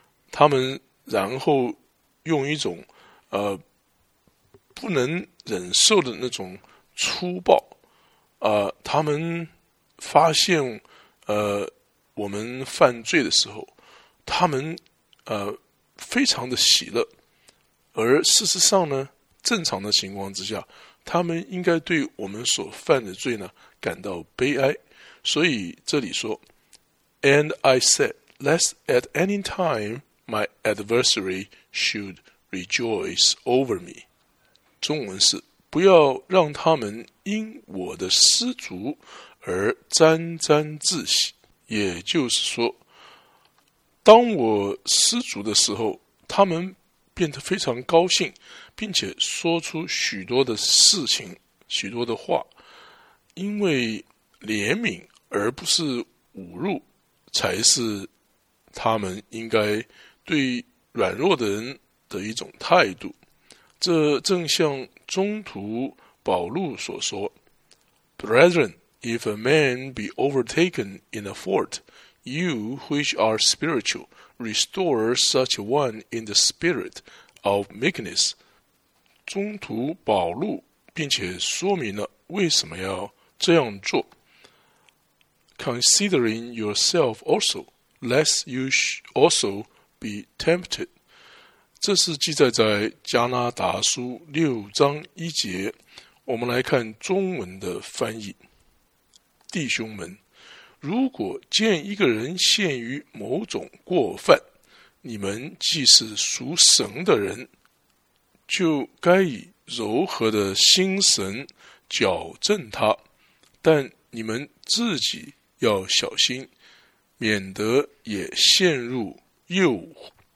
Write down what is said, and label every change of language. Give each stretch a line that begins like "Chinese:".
Chinese: 他们然后用一种不能忍受的那种粗暴，他们发现我们犯罪的时候，他们非常的喜乐。而事实上呢，正常的情况之下，他们应该对我们所犯的罪呢感到悲哀。所以这里说
English: And I said, lest at any time my adversary should rejoice over me.
Chinese: 中文是不要让他们因我的失足而沾沾自喜。也就是说，当我失足的时候，他们变得非常高兴，并且说出许多的事情，许多的话，因为怜悯而不是侮辱，才是他们应该对软弱的人的一种态度。这正像中途保禄所说
English: Brethren, if a man be overtaken in a fault, you which are spiritual, restore such one in the spirit of meekness.
Chinese: 中途保禄并且说明了为什么要这样做。
English: Considering yourself also, lest you also be tempted.
Chinese: 这是记载在加拉达书六章一节。我们来看中文的翻译。弟兄们，如果见一个人陷于某种过犯，你们既是属神的人，就该以柔和的心神矫正他，但你们自己要小心，免得也陷入诱惑。